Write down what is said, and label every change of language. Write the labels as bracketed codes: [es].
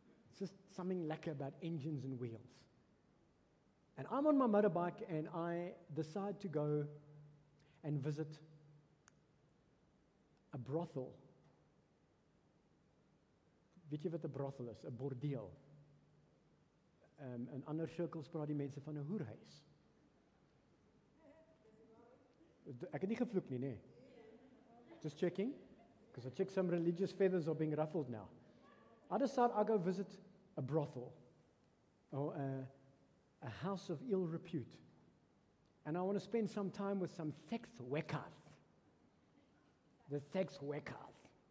[en] It's just something lekker about engines and wheels. And I'm on my motorbike and I decide to go and visit a brothel. [af] Weet jy wat 'n brothel is? 'N bordeel. In ander sirkels praat die mense van 'n hoerhuis. Ek het nie gevloek nie, nee. [en] Just checking. Because I check some religious feathers are being ruffled now. I decide I go visit a brothel. Or a house of ill repute. And I want to spend some time with some sex workers. The sex workers.